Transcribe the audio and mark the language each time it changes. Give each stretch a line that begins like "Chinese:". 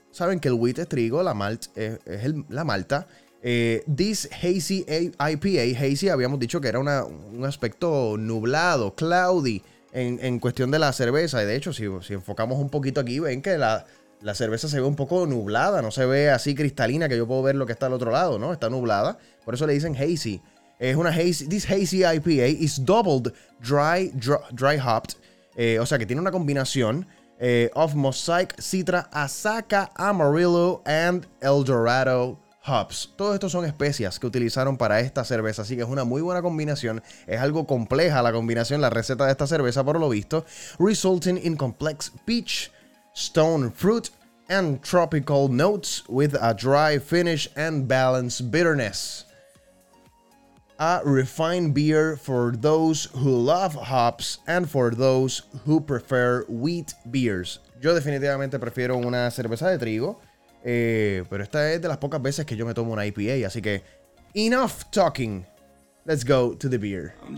Spanish: Saben que el wheat es trigo, la malt la malta.
English: This hazy IPA,
Spanish: hazy habíamos dicho que era un aspecto nublado, cloudy, en cuestión de la cerveza. Y de hecho, si enfocamos un poquito aquí, ven que la cerveza se ve un poco nublada. No se ve así cristalina que yo puedo ver lo que está al otro lado, ¿no? Está nublada. Por eso le dicen hazy.
English: This hazy IPA is doubled dry hopped.
Spanish: O sea que tiene una combinación
English: of Mosaic, Citra, Azaka, Amarillo and El Dorado hops.
Spanish: Todos estos son especias que utilizaron para esta cerveza, así que es una muy buena combinación. Es algo compleja la combinación, la receta de esta cerveza, por lo visto.
English: Resulting in complex peach, stone fruit, and tropical notes with a dry finish and balanced bitterness. A refined beer for those who love hops and for those who prefer wheat beers.
Spanish: Yo definitivamente prefiero una cerveza de trigo, pero esta es de las pocas veces que yo me tomo una IPA, así que
English: enough talking. Let's go to the beer.